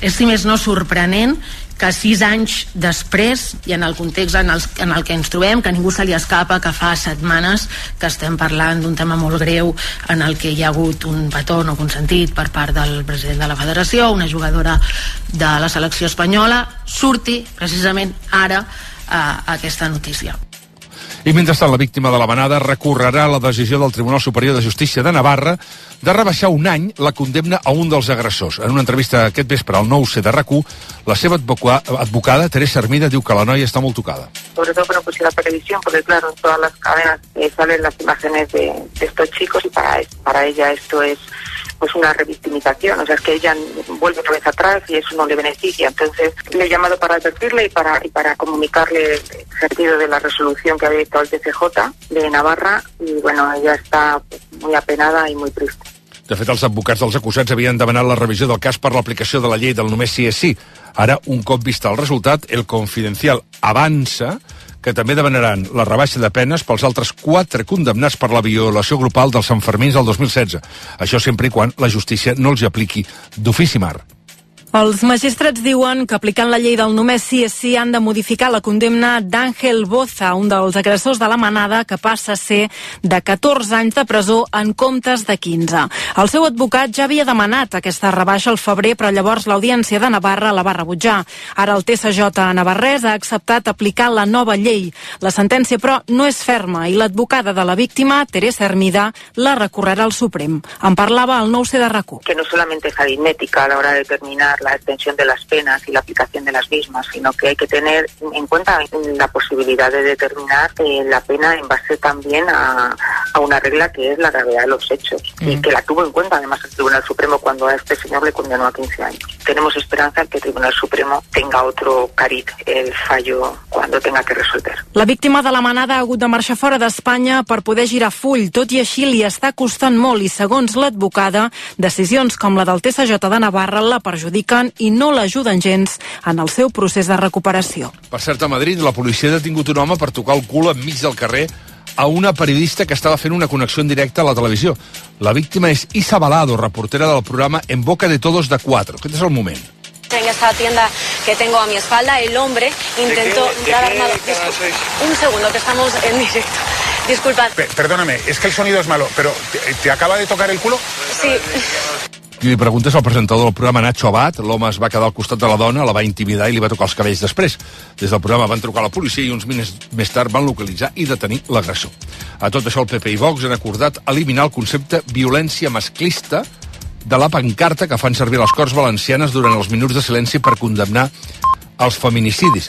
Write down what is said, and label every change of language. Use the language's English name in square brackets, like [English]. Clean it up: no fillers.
[Catalan] És, si més no, sorprenent que 6 anys després, i en el context en el que ens trobem, que ningú se li escapa, que fa setmanes que estem parlant d'un tema molt greu en el que hi ha hagut un petó no consentit per part del president de la federació, una jugadora de la selecció espanyola, surti precisament ara aquesta notícia. I mentrestant, la víctima de la manada recorrerà la decisió del Tribunal Superior de Justícia de Navarra de rebaixar un any la condemna a un dels agressors. En una entrevista aquest vespre al 9C de RAC1, la seva advocada, Teresa Hermida, diu que la noia està molt tocada. [Spanish] Sobre todo, bueno, pues la previsión, porque claro, en todas las cadenas salen las imágenes de estos chicos y para ella esto es pues una revictimización, o sea, es que ella vuelve otra vez atrás y eso no le beneficia. Entonces, le he llamado para advertirle y para comunicarle el sentido de la resolución que ha dictado el TCJ de Navarra, y bueno, ella está muy apenada y muy triste. [Catalan] De fet, els advocats dels acusats havien demanat la revisió del cas per l'aplicació de la llei del només sí és sí. Ara, un cop vist el resultat, el Confidencial avança que també demanaran la rebaixa de penes pels altres 4 condemnats per la violació grupal dels Sanfermins del 2016. Això sempre i quan la justícia no els apliqui d'ofici, Mar. Els magistrats diuen que aplicant la llei del només sí és sí han de modificar la condemna d'Àngel Boza, un dels agressors de la manada, que passa a ser de 14 anys de presó en comptes de 15. El seu advocat ja havia demanat aquesta rebaixa al febrer, però llavors l'Audiència de Navarra la va rebutjar. Ara el TSJ navarrès ha acceptat aplicar la nova llei. La sentència, però, no és ferma i l'advocada de la víctima, Teresa Hermida, la recorrerà al Suprem. En parlava el 9C de RAC1. [Spanish] Que [Catalan] no solament és aritmètica a l'hora de [Spanish] determinar la extensión de las penas y la aplicación de las mismas, sino que hay que tener en cuenta la posibilidad de determinar la pena en base también a una regla que es la gravedad de los hechos, y que la tuvo en cuenta además el Tribunal Supremo cuando a este señor le condenó a 15 años. Tenemos esperanza que el Tribunal Supremo tenga otro cariz el fallo cuando tenga que resolver. [Catalan] La víctima de la manada ha hagut de marxar fora d'Espanya per poder girar full, tot i així li està costant molt i segons l'advocada, decisions com la del TSJ de Navarra la perjudicaran i no l'ajuden gens en el seu procés de recuperació. Per cert, a Madrid, la policia ha detingut un home per tocar el cul enmig del carrer a una periodista que estava fent una connexió en directe a la televisió. La víctima és Isa Balado, reportera del programa En Boca de Todos de 4. Aquest és el moment. [Spanish] En esta tienda que tengo a mi espalda, el hombre intentó entrar armado. Un segundo, que estamos en directo. Disculpad. Perdóname, es que el sonido es malo, pero ¿te acaba de tocar el culo? Sí. [Catalan] I li preguntes al presentador del programa, Nacho Abad. L'home es va quedar al costat de la dona, la va intimidar i li va tocar els cabells després. Des del programa van trucar la policia i uns minuts més tard van localitzar i detenir l'agressor. A tot això, el PP i Vox han acordat eliminar el concepte violència masclista de la pancarta que fan servir les Corts Valencianes durant els minuts de silenci per condemnar els feminicidis.